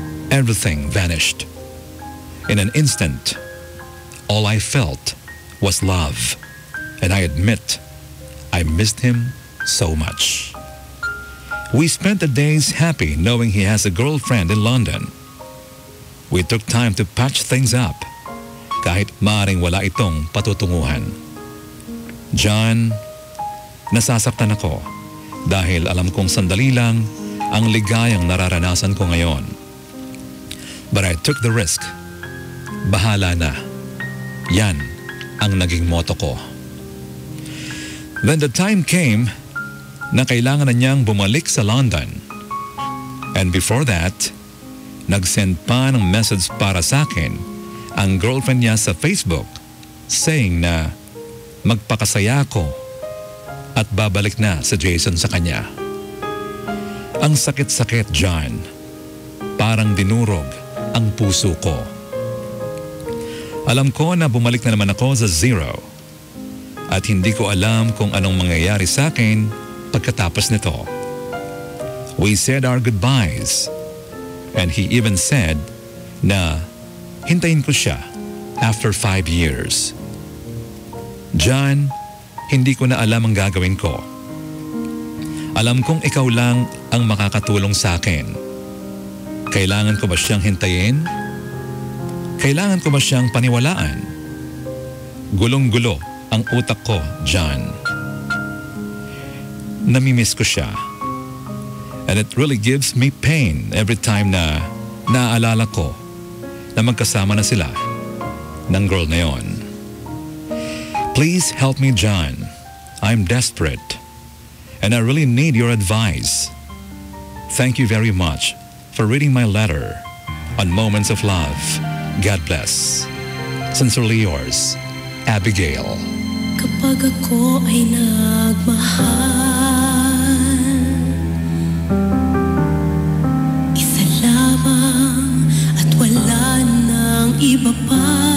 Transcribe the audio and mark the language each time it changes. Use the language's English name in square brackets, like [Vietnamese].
[English] everything vanished. In an instant, all I felt was love. And I admit, I missed him so much. We spent the days happy knowing he has a girlfriend in London. We took time to patch things up. [Filipino] Kahit maaaring wala itong patutunguhan. John, nasasaktan ako dahil alam kong sandali lang ang ligayang nararanasan ko ngayon. [English] But I took the risk. [Filipino] Bahala na. Yan ang naging motto ko. Then the time came na kailangan na niyang bumalik sa London. [English] And before that, [Filipino] nag-send pa ng message para sa akin ang girlfriend niya sa Facebook saying na magpakasaya ako at babalik na si Jason sa kanya. Ang sakit-sakit, John. Parang dinurog ang puso ko. Alam ko na bumalik na naman ako sa zero. At hindi ko alam kung anong mangyayari sa akin pagkatapos nito. [English] We said our goodbyes. And he even said [Filipino] na hintayin ko siya [English] after 5 years. [Filipino] John, hindi ko na alam ang gagawin ko. Alam kong ikaw lang ang makakatulong sa akin. Kailangan ko ba siyang hintayin? Kailangan ko ba siyang paniwalaan? Gulong-gulo ang utak ko, John. Namimiss ko siya. [English] And it really gives me pain every time [Filipino] na naaalala ko na magkasama na sila ng girl na yon. [English] Please help me, John. I'm desperate. And I really need your advice. Thank you very much for reading my letter on Moments of Love. God bless. Sincerely yours, Abigail. [Filipino] Kapag ako ay nagmahal, isa lamang at wala nang iba pa.